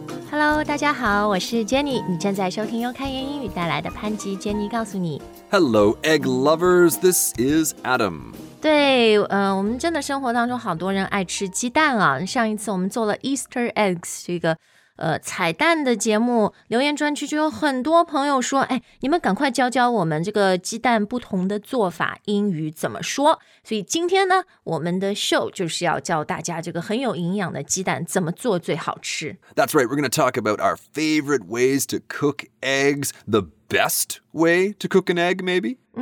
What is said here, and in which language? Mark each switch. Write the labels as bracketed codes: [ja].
[zh] Hello， 大家好，我是 Jenny， 你正在收听由开言英语带来的潘吉 Jenny 告诉你。 [en] Hello, egg lovers, this is Adam. [zh] 对，我们真的生活当中好多人爱吃鸡蛋啊，上一次我们做了 Easter eggs 这个彩蛋的节目， 留言专区就有很多朋友说， 你们赶快教教我们这个鸡蛋不同的做法，英语怎么说。所以今天呢，我们的show就是要教大家这个很有营养的鸡蛋怎么做最好吃。 [en] That's right, we're going to talk about our favorite ways to cook eggs, the best way to cook an egg, maybe?